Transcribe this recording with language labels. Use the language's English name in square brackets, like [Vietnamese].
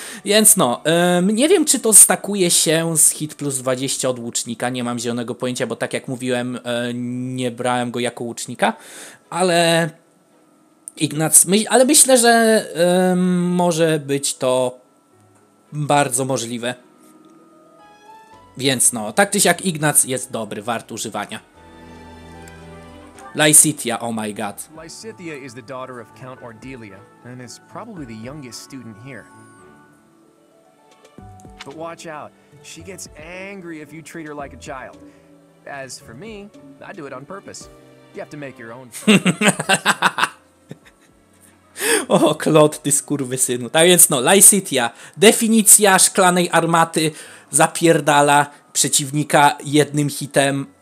[Polish] Więc no, nie wiem, czy to stakuje się z hit plus 20 od łucznika, nie mam zielonego pojęcia, bo tak jak mówiłem, nie brałem go jako łucznika, ale Ignac, ale myślę, że może być to bardzo możliwe. Więc no, tak czy siak Ignac jest dobry, wart używania. [English] Lysithia, oh my god. Lysithia is the daughter of Count Ordelia, and is probably the youngest student here. But watch out, she gets angry if you treat her like a child. As for me, I do it on purpose. You have to make your own. [Polish] O, Claude, ty skurwysynu. Tak więc no, Lysithia, definicja szklanej armaty, zapierdala przeciwnika jednym hitem.